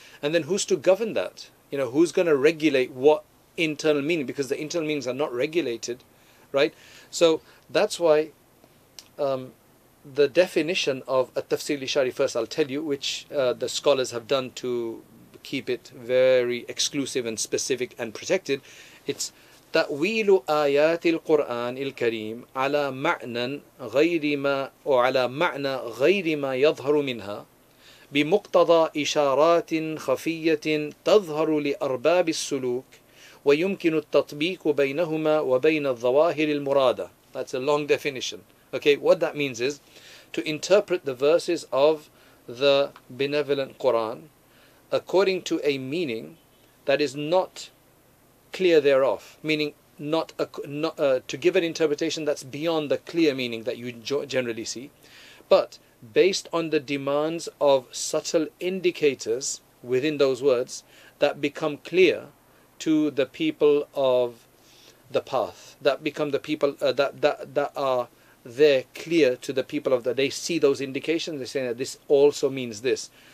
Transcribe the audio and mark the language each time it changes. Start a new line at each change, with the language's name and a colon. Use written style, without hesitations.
English: And then who's to govern that? You know, who's going to regulate what internal meaning? Because the internal meanings are not regulated, right? So that's why the definition of a Tafsir al-Ishari, first I'll tell you, which the scholars have done to keep it very exclusive and specific and protected.
Arabic: It's تأويل آيات القرآن الكريم على معنى غير ما أو على معنى غير ما يظهر منها بمقتضى إشارات خفية تظهر لأرباب السلوك ويمكن التطبيق بينهما وبين الظواهر المرادة.
English: That's a long definition. Okay, what that means is to interpret the verses of the benevolent Quran according to a meaning that is not clear thereof, meaning to give an interpretation that's beyond the clear meaning that you generally see, but based on the demands of subtle indicators within those words that become clear to the people of the path, that become the people that are there clear to the people of the, they see those indications, they say that this also means this.